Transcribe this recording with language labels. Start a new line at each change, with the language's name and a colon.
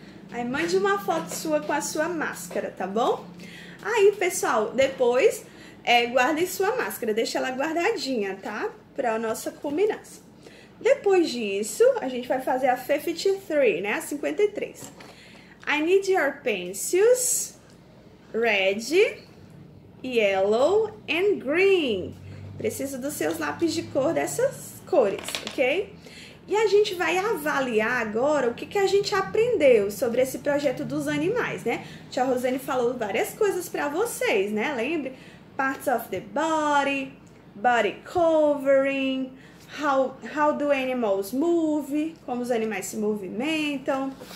Portuguese: Aí mande uma foto sua com a sua máscara, tá bom? Aí, pessoal, depois guardem sua máscara, deixa ela guardadinha, tá? Para a nossa culminância. Depois disso, a gente vai fazer a 53, né? A 53.
English: I need your pencils, red, yellow and green.
Portuguese: Preciso dos seus lápis de cor dessas cores, ok? E a gente vai avaliar agora o que, que a gente aprendeu sobre esse projeto dos animais, né? Tia Rosane falou várias coisas pra vocês, né? Lembre?
English: Parts of the body, body covering, how do animals move,
Portuguese: como os animais se movimentam.